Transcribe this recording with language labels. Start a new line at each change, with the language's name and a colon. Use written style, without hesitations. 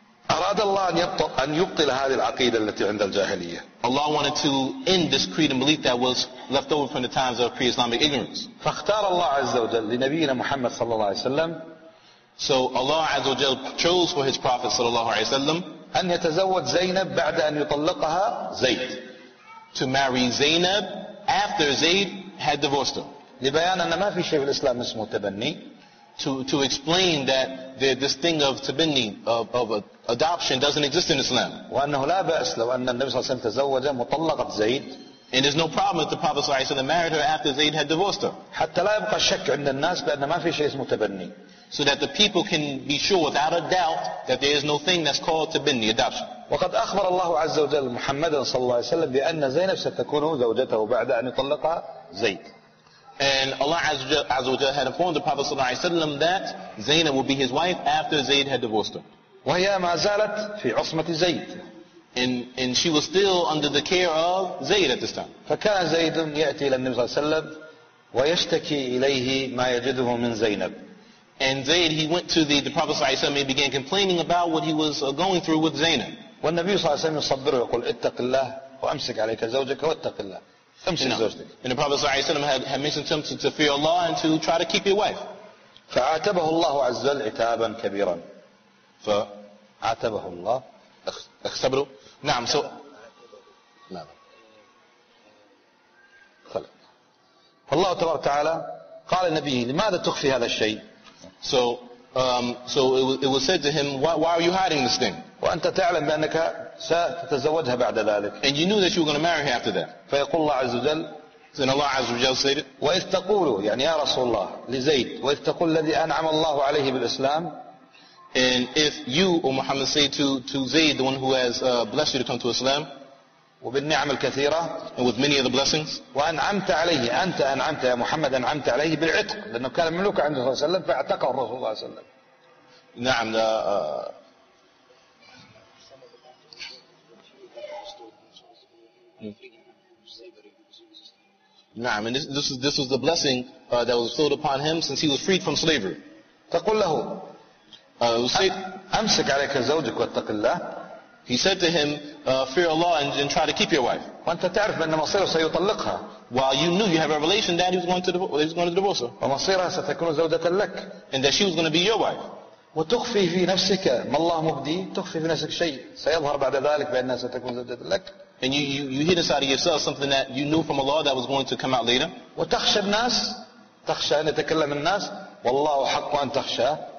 Arabic: أراد الله أن يبطل هذه العقيدة التي عند الجاهلية.
English: Allah wanted to end this creed and belief that was left over from the times of pre-Islamic ignorance.
Arabic: فاختار الله عز وجل لنبينا محمد صلى الله عليه وسلم.
English: So Allah عز وجل chose for His Prophet صلى الله عليه وسلم
Arabic: أن يتزوج زينب بعد أن يطلقها زيد.
English: To marry Zainab after Zayd had divorced her.
Arabic: لبيان أن ما في شيء في الإسلام اسمه تبني.
English: To explain that this thing of tabini of adoption doesn't exist in Islam.
Arabic: وأنه لا بأس لو أن النبي صلى الله عليه وسلم تزوج مطلقة زيد.
English: And there's no problem if the Prophet صلى الله عليه وسلم married her after Zayd had divorced her.
Arabic: حتى لا يبقى الشك عند الناس بأن ما في شيء اسمه تبني.
English: So that the people can be sure without a doubt that there is no thing that's called tabini adoption.
Arabic: وقد أخبر الله عز وجل محمدا صلى الله عليه وسلم بأن زينب ستكون زوجته بعد أن يطلقها زيد.
English: And Allah Azza wa Jalla had informed the Prophet Sallallahu Alaihi Wasallam that Zainab would be his wife after Zayd had divorced her.
Arabic: وهي ما زالت في عصمة زيد.
English: And she was still under the care of Zayd at this time.
Arabic: فكان زيد يأتي إلى النبي صلى الله عليه وسلم ويشتكي إليه ما يجده من زينب.
English: And Zayd, he went to the Prophet Sallallahu Alaihi Wasallam and began complaining about what he was going through with Zainab.
Arabic: والنبي صلى الله عليه وسلم يصبره يقول اتق الله وأمسك عليك زوجك واتق الله.
English: And the Prophet Sallallahu Alaihi Wasallam had mentioned him to fear Allah and to try to keep your wife.
Arabic: فعاتبه الله عز وجل عتابا كبيرا. فعاتبه الله. اختبره. نعم. So. نعم. خلق. فالله تبارك وتعالى قال لنبيه لماذا تخفي هذا الشيء؟
English: So it was said to him, why are you hiding this thing?
Arabic: وأنت تعلم بأنك ستتزوجها بعد ذلك.
English: And you knew that you were going to marry her after that.
Arabic: فيقول الله عز وجل.
English: Then Allah عز وجل said.
Arabic: وإذ تقول يعني يا رسول الله لزيد وإذ تقول الذي أنعم الله عليه بالإسلام.
English: And if you, O Muhammad, say to Zayd, the one who has blessed you to come to Islam.
Arabic: وبالنعم الكثيرة.
English: And with many of the blessings.
Arabic: وأنعمت عليه أنت أنعمت يا محمد أنعمت عليه بالعتق لأنه كان مملوكا عند الرسول صلى الله عليه وسلم فاعتقه الرسول صلى الله عليه وسلم. نعم. نعم.
English: And this was the blessing that was bestowed upon him since he was freed from slavery.
Arabic: تقول له.
English: Said,
Arabic: أمسك عليك زوجك واتق الله.
English: He said to him, fear Allah and try to keep your wife.
Arabic: وأنت تعرف أن مصيره سيطلقها.
English: While you knew you have revelation that he was going to divorce her.
Arabic: ومصيرها ستكون زوجة لك.
English: And that she was going to be your wife.
Arabic: وتخفي في نفسك ما الله مبدي تخفي في نفسك شيء سيظهر بعد ذلك بأنها ستكون زوجة لك.
English: And you hid inside of yourself something that you knew from Allah that was going to come out later.
Arabic: وتخشى الناس تخشى أن يتكلم الناس والله حق أن تخشى.